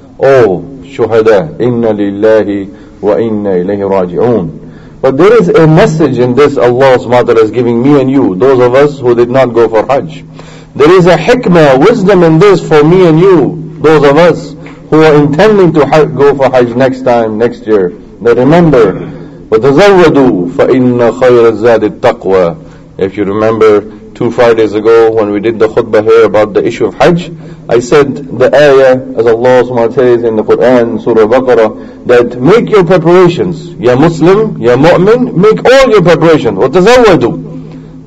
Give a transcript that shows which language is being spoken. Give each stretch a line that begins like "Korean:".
Arabic: Oh, shuhada, inna lillahi وَإِنَّ إِلَيْهِ رَاجِعُونَ.
English: But there is a message in this Allah subhanahu wa ta'ala is giving me and you, those of us who did not go for Hajj. There is a hikmah, wisdom in this for me and you, those of us who are intending to go for Hajj next time, next year. Now remember,
Arabic: وَتَزَوَّدُوا فَإِنَّ خَيْرَ الزَّادِ التَّقْوَى.
English: If you remember, two Fridays ago when we did the khutbah here about the issue of Hajj, I said the ayah, as Allah subhanahu wa ta'ala says in the Quran, Surah Baqarah, that make your preparations. Ya Muslim, ya Mu'min, make all your preparations. وَتَزَوَّدُوا.